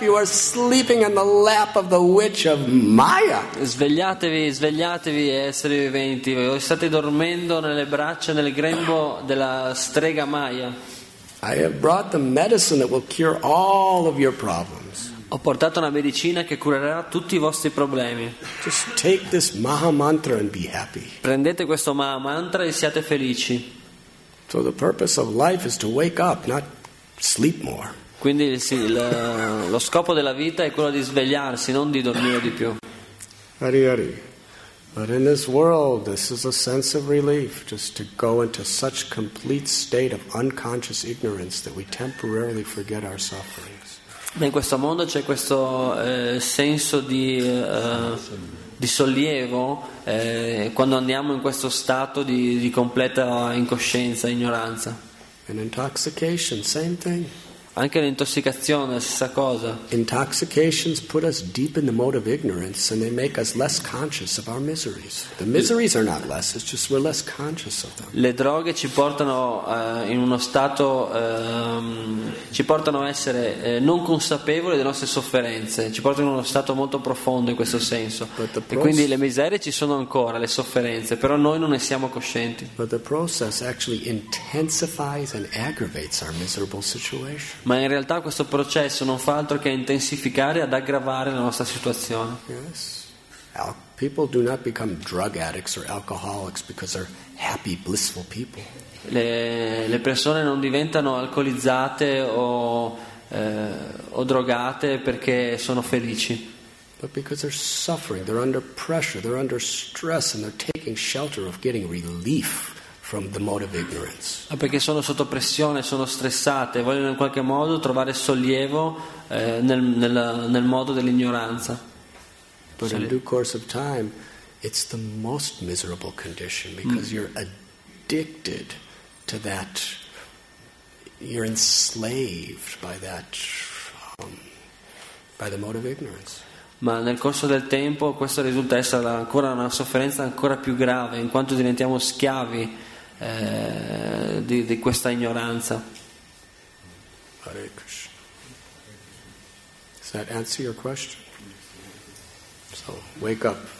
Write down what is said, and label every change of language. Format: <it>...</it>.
<en>You are sleeping in the lap of the witch of Maya.</en> <it>Svegliatevi, svegliatevi, esseri viventi. Voi state dormendo nelle braccia, nel grembo della strega Maya.</it> <en>I have brought the medicine that will cure all of your problems.</en> <it>Ho portato una medicina che curerà tutti i vostri problemi.</it> <en>Just take this Maha mantra and be happy.</en> <it>Prendete questo Maha mantra e siate felici.</it> <en>So the purpose of life is to wake up, not sleep more.</en> <it>Quindi sì, lo scopo della vita è quello di svegliarsi, non di dormire di più.</it> <en>Hari Hari. But in this world, this is a sense of relief, just to go into such complete state of unconscious ignorance that we temporarily forget our sufferings.</en> <it>In questo mondo c'è questo senso di sollievo quando andiamo in questo stato di completa incoscienza, ignoranza.</it> <en>And intoxication, same thing.</en> <it>Anche l'intossicazione è la stessa cosa.</it> <en>Intoxications put us deep in the mode of ignorance and they make us less conscious of our miseries. The miseries are not less, it's just we're less conscious of them.</en> <it>Le droghe ci portano in uno stato ci portano a essere non consapevoli delle nostre sofferenze, ci portano in uno stato molto profondo in questo senso. E quindi le miserie ci sono ancora, le sofferenze, però noi non ne siamo coscienti.</it> <en>But the process actually intensifies and aggravates our miserable situation.</en> <it>Ma in realtà questo processo non fa altro che intensificare ed aggravare la nostra situazione.</it> <en>Yes. People do not become drug addicts or alcoholics because they're happy, blissful people.</en> <it>Le persone non diventano alcolizzate o drogate perché sono felici.</it> <en>But because they're suffering, they're under pressure, they're under stress and they're taking shelter of getting relief. From the mode of ignorance.</en> <it>Ma perché sono sotto pressione, sono stressate, vogliono in qualche modo trovare sollievo nel modo dell'ignoranza.</it> <en>But in due course of time, it's the most miserable condition because you're addicted to that, you're enslaved by the mode of ignorance.</en> <it>Ma nel corso del tempo questo risulta essere ancora una sofferenza ancora più grave in quanto diventiamo schiavi. Di questa ignoranza.</it> <en>Hare Krishna. Does that answer your question? So wake up.</en>